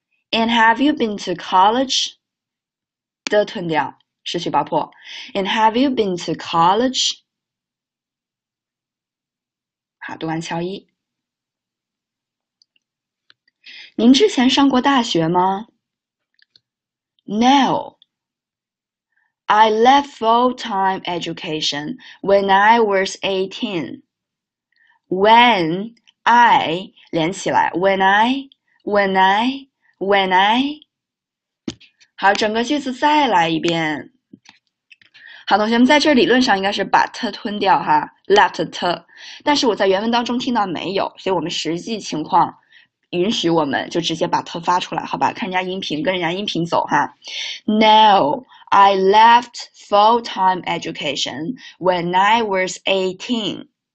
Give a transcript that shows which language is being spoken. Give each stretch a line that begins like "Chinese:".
English: And have you been to college? 的吞掉，失去爆破。 And have you been to college?
Chinese: 好，读完乔伊。您之前上过大学吗 ？
English: No. I left full-time education when I was 18. When I
Chinese: 连起来
English: ，when I, when I, when I.
Chinese: 好，整个句子再来一遍。好，同学们，在这理论上应该是把 t 吞掉哈 ，left t， 但是我在原文当中听到没有，所以我们实际情况允许我们就直接把 t 发出来，好吧？看人家音频，跟人家音频走哈。
English: No, I left full-time education when I was 18.